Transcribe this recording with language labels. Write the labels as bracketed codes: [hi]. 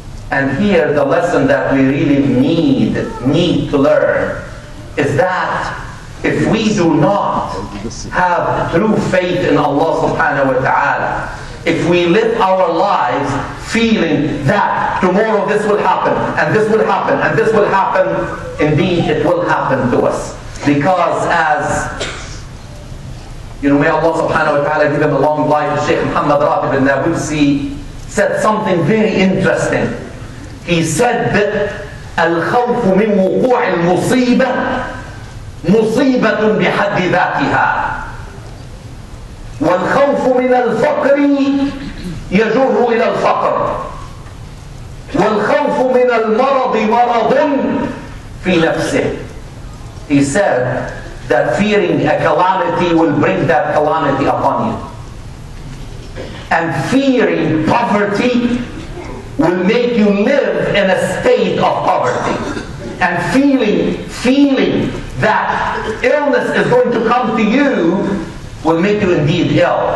[en] And here the lesson that we really need to learn is that if we do not have true faith in Allah subhanahu wa ta'ala, if we live our lives feeling that tomorrow this will happen, and this will happen, and this will happen, indeed it will happen to us. Because as, you know, may Allah subhanahu wa ta'ala give him a long life, Shaykh Muhammad Rafi bin Nawusi said something very interesting. He said that [ar] الخوف من وقوع المصيبة مصيبة بحد ذاتها والخوف من الفقر يجر إلى الفقر والخوف من المرض مرض في نفسه. [en] He said that fearing a calamity will bring that calamity upon you, and fearing poverty will make you live in a state of poverty. And feeling that illness is going to come to you will make you indeed ill.